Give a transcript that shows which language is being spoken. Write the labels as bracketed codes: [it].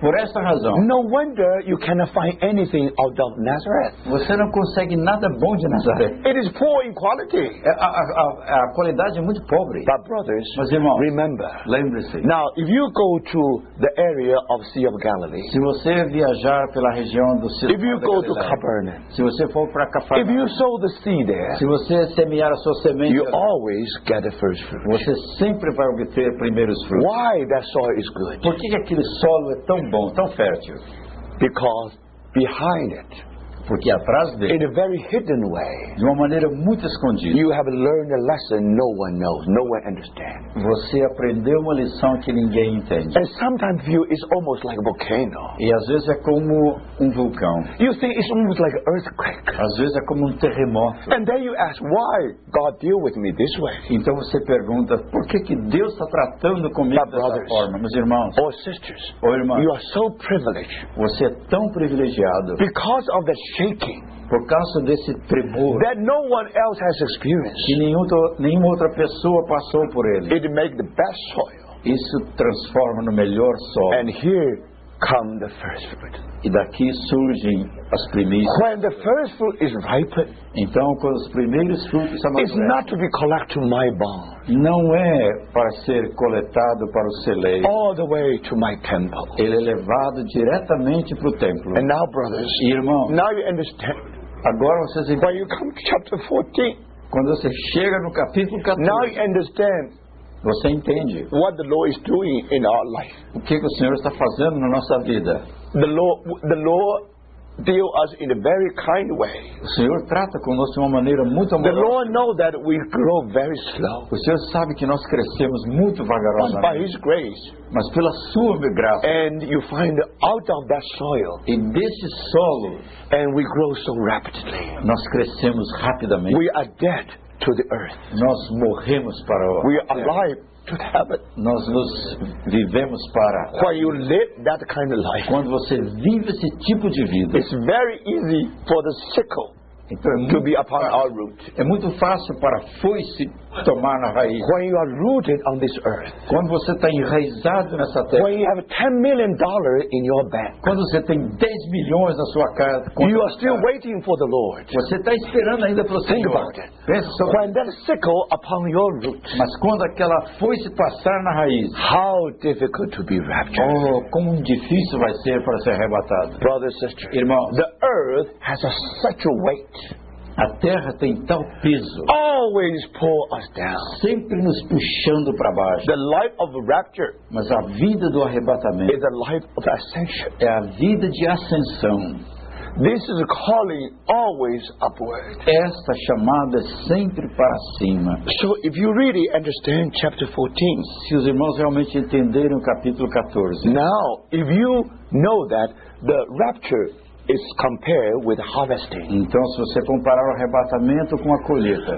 [pt] por essa razão, [en] no wonder you cannot find anything out of Nazareth. [pt] Você não consegue nada bom de Nazaré. [en] It is poor in quality. [pt] A qualidade é muito pobre. [en] But brothers, [pt] mas irmãos, [en] remember, [pt] lembre-se. [en] Now, if you go to the area of Sea of Galilee, [pt] se você viajar pela região do Sea of Galilee, [en] if you go to Capernaum, [pt] se você for para Capernaum, [en] if you sow the seed there, [pt] se você semear a sua semente, [en] you always get the first fruit. [pt] Você sempre vai obter primeiros frutos. [en] Why that soil is good? [pt] Por que aquele solo é tão bom, tão fértil? [en] Because behind it, [pt] porque atrás dele, [en] in a very hidden way, [pt] de uma maneira muito escondida, [en] you have learned a lesson no one knows, no one understands. [pt] Você aprendeu uma lição que ninguém entende. [en] And sometimes view is almost like a volcano. [pt] E às vezes é como um vulcão. [en] You think it's almost like an earthquake. [pt] Às vezes é como um terremoto. [en] And then you ask, why God deal with me this way? [pt] Então você pergunta, por que que Deus está tratando comigo dessa [en] brothers, [pt] forma, meus irmãos? [en] Or sisters, [pt] ou irmãs, [en] you are so privileged. [pt] Você é tão privilegiado. [en] Because of the shaking, [pt] por causa desse tremor, [en] that no one else has experienced, [pt] que nenhuma outra pessoa passou por ele, [en] it make the best soil, [pt] isso transforma no melhor solo. [en] And here come the first fruit, [pt] e daqui surgem as primícias. [en] When the first fruit is ripened, [pt] então quando os primeiros frutos são maduros, [en] it's not to be collected to my barn, [pt] não é para ser coletado para o celeiro, [en] all the way to my temple, [pt] ele é levado diretamente para o templo. [en] And now brothers, [pt] e irmãos, [en] now you understand, [pt] agora vocês entendem. [en] When you come to chapter 14, [pt] quando você chega no capítulo 14, [en] now you understand, [pt] você entende [en] what the Lord is doing in our life. [pt] O que o Senhor está fazendo na nossa vida? [en] The Lord deal us in a very kind way. [pt] O Senhor trata conosco de uma maneira muito amorosa. [en] The Lord know that we grow very slow. [pt] O Senhor sabe que nós crescemos muito vagarosamente. [en] But by His grace, [pt] mas pela sua graça, [en] and you find out of that soil, [pt] e desse solo, [en] and we grow so rapidly. [pt] Nós crescemos rapidamente. [en] We are dead to the earth. [pt] Nós morremos para o. [en] We are alive to heaven. [pt] Nós nos vivemos para. [en] When you live that kind of life, [pt] quando você vive esse tipo de vida, [en] it's very easy for the sickle to be upon our root. [pt] É muito fácil para foice tomar na raiz. [en] When you are rooted on this earth, [pt] quando você está enraizado nessa terra, [en] when you have $10 million in your bank, [pt] quando você tem 10 milhões na sua casa, [en] you are still waiting for the Lord. [pt] Você está esperando ainda para o [en] Think [pt] Senhor. [en] About it. [pt] Pense sobre. [en] When that sickle upon your root, [pt] mas quando aquela foice passar na raiz, [en] how difficult to be raptured. [pt] Oh, como difícil vai ser para ser arrebatado. [en] Brother, sister, [pt] irmão, [en] the earth has such a weight. [pt] A terra tem tal peso. [en] Always pull us down. [pt] Sempre nos puxando para baixo. [en] The life of rapture, [pt] mas a vida do arrebatamento, [en] is a life of ascension. [pt] É a vida de ascensão. [en] This is a calling always upward. [pt] Esta chamada sempre para cima. [en] So if you really understand chapter 14, [pt] se os irmãos realmente entenderam o capítulo 14. [en] Now, if you know that the rapture is compared with harvesting. [pt] Então, se você comparar o arrebatamento com a colheita,